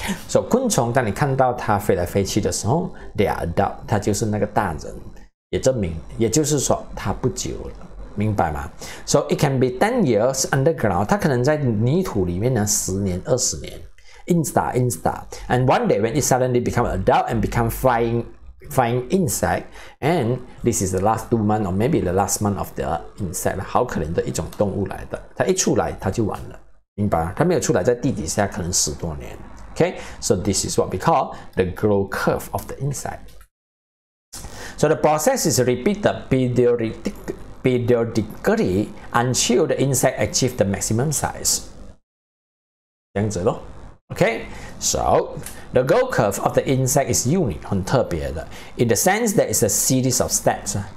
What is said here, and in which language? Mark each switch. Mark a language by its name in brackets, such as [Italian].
[Chinese] So 昆虫当你看到它飞来飞去的时候 ， [English] they are adult， [Chinese] 它就是那个大人，也证明，也就是说它不久了，明白吗 ？ [English] So it can be 10 years underground， [Chinese] 它可能在泥土里面呢10年、20年 ，instar。 [English] And one day when it suddenly become adult and become flying insect, and this is the last 2 months or maybe the last month of the insect. [Chinese] 好可怜的一种动物来的，它一出来它就完了，明白？它没有出来，在地底下可能十多年。 [English] Okay, so this is what we call the growth curve of the insect. So the process is repeated periodically until the insect achieves the maximum size. [Chinese] 这样子咯。 [English] Okay, so the growth curve of the insect is unique, [Chinese] 很特别的 [English] in the sense that it's a series of steps.